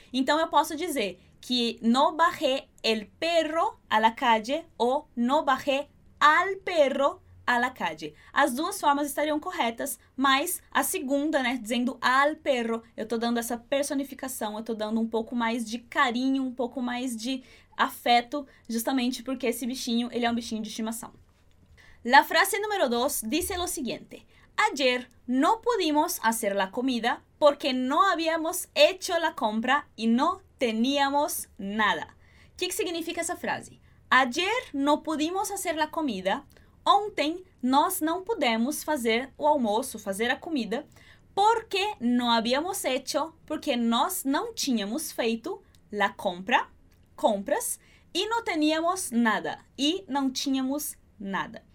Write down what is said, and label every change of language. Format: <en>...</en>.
<pt>Então, eu posso dizer que</pt> <es>no bajé el perro a la calle</es> <pt>ou</pt> <es>no bajé al perro a la calle.</es> <pt>As duas formas estariam corretas, mas a segunda, né, dizendo al perro, eu tô dando essa personificação, eu tô dando um pouco mais de carinho, um pouco mais de afeto, justamente porque esse bichinho, ele é um bichinho de estimação.</pt> <es>La frase número 2 dice lo siguiente: ayer no pudimos hacer la comida porque no habíamos hecho la compra y no teníamos nada.</es> <pt>O que significa essa frase?</pt> <es>Ayer no pudimos hacer la comida.</es> <pt>Ontem nós não pudemos fazer o almoço, fazer a comida, porque</pt> <es>no habíamos hecho,</es> <pt>porque nós não tínhamos feito</pt> <es>la compra,</es> <pt>compras, e</pt> <es>no teníamos nada,</es> <pt>e não tínhamos nada.</pt>